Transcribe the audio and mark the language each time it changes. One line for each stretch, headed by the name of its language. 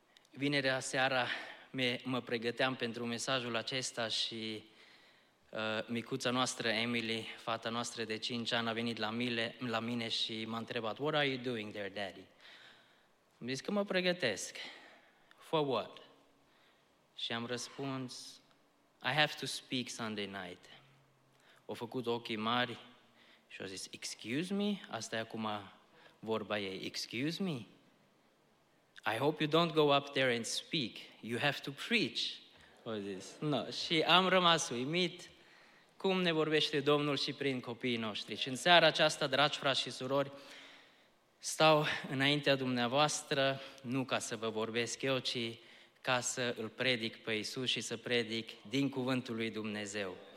Romanian: Vinerea seara mă pregăteam pentru mesajul acesta și micuța noastră, Emily, fata noastră de 5 ani, a venit la mine și m-a întrebat,
English: "What are you doing there, Daddy?"
Romanian: Am zis că mă pregătesc.
English: "For what?"
Romanian: Și am răspuns,
English: "I have to speak Sunday night."
Romanian: O făcut ochii mari și a zis,
English: "Excuse me?"
Romanian: Asta e acum vorba ei,
English: "Excuse me? I hope you don't go up there and speak. You have to preach."
Romanian: A zis,
English: "No."
Romanian: Și am rămas uimit cum ne vorbește Domnul și prin copiii noștri. Și în seara aceasta, dragi frați și surori, stau înaintea dumneavoastră, nu ca să vă vorbesc eu, ci ca să îl predic pe Iisus și să predic din cuvântul lui Dumnezeu.